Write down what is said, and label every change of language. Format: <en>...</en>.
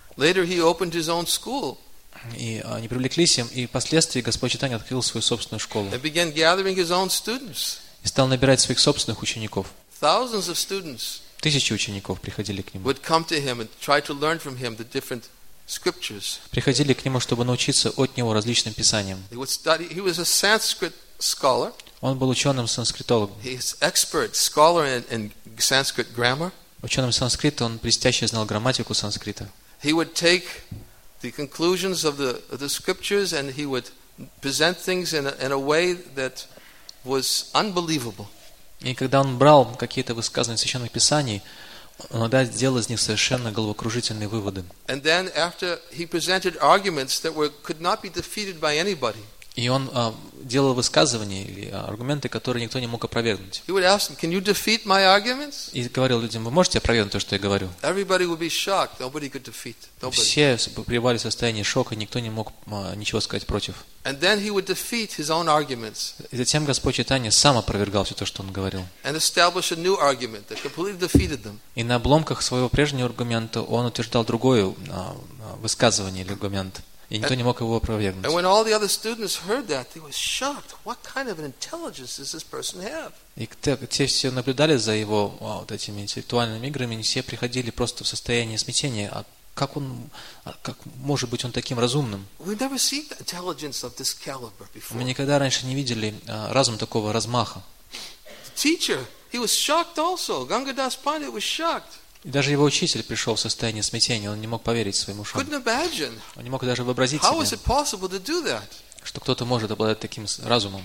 <en>Later he opened his own school.</en> <ru>И они привлеклись им, и впоследствии Господь Чайтанья открыл свою собственную школу.</ru> <en>And began gathering his own students.</en> <ru>И стал набирать своих собственных учеников.</ru> <en>Thousands of students.</en> <ru>Тысячи учеников приходили к нему.</ru> <en>Would come to him and try to learn from him the different scriptures.</en> <ru>Приходили к нему, чтобы научиться от него различным писаниям.</ru> <en>He was a Sanskrit scholar.</en> <ru>Он был ученым санскритологом.</ru> <en>He's expert scholar in Sanskrit grammar.</en> <ru>Ученым санскрита, он блестяще знал грамматику санскрита.</ru> <en>He would take the conclusions of the scriptures, and he would present things in a way that was unbelievable.</en> <ru>И когда он брал какие-то высказывания священных писаний, он иногда делал из них совершенно головокружительные выводы.</ru> <en>And then after he presented arguments that were could not be defeated by anybody.</en> <ru>И он делал высказывания или аргументы, которые никто не мог опровергнуть.</ru> <en>He would ask them, "Can you defeat my arguments?"</en> <ru>И говорил людям: "Вы можете опровергнуть то, что я говорю?"</ru> <en>Everybody would be shocked. Nobody could defeat. Nobody.</en> <ru>Все пребывали в состоянии шока, никто не мог ничего сказать против.</ru> <en>And then he would defeat his own arguments.</en> <ru>И затем Господь Читания сам опровергал все то, что он говорил.</ru> <en>And establish a new argument that completely defeated them.</en> <ru>И на обломках своего прежнего аргумента он утверждал другое высказывание или аргумент. И никто не мог его опровергнуть.</ru> <en>And when all the other students heard that, they were shocked. What kind of an intelligence does this person have?</en> <ru>И те все наблюдали за его вот этими интеллектуальными играми, и все приходили просто в состояние смятения. А как он, как может быть он таким разумным?</ru> <en>We've never seen intelligence of this caliber before.</en> <ru>Мы никогда раньше не видели разум такого размаха.</ru> <en>The teacher, he was shocked also. Ганга Дас Пандит was shocked.</en> <ru>И даже его учитель пришел в состояние смятения, он не мог поверить своим ушам. Он не мог даже вообразить себе, что кто-то может обладать таким разумом.</ru>